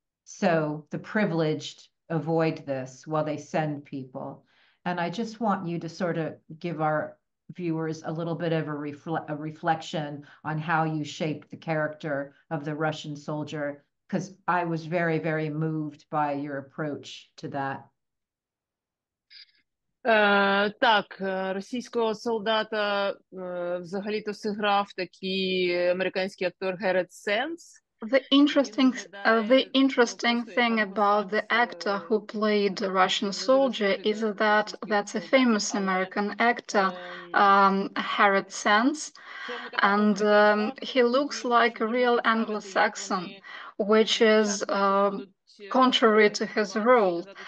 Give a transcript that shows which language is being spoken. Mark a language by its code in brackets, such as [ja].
[en] So the privileged avoid this while they send people. And I just want you to sort of give our viewers a little bit of a reflection on how you shape the character of the Russian soldier, because I was very, very moved by your approach to that. [uk] Так, російського солдата взагалі-то зіграв такий американський актор Герет Сенс. [en] The interesting thing about the actor who played the Russian soldier is that that's a famous American actor, Harold Sands, and he looks like a real Anglo-Saxon, which is contrary to his role.